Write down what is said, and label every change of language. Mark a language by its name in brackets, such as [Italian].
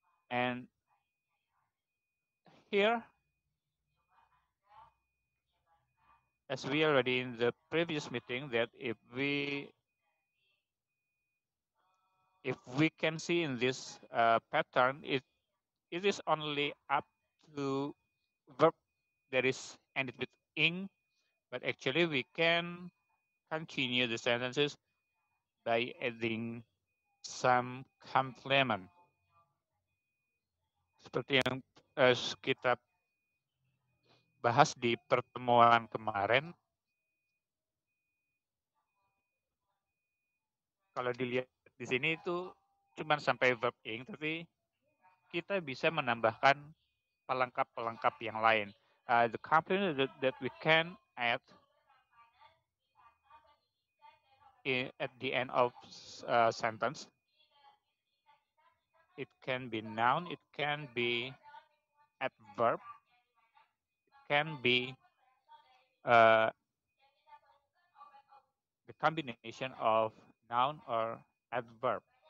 [English] And here, as we already in the previous meeting, that if we can see in this pattern, it is only up to verb that is ended with ing, but actually we can continue the sentences by adding some complement. [Indonesian] Seperti yang kita bahas di pertemuan kemarin, kalau dilihat di sini itu cuma sampai verb ing, tapi kita bisa menambahkan pelengkap-pelengkap yang lain. [English] The complement that we can add at the end of sentence, it can be noun, it can be adverb, can be the combination of noun or adverb.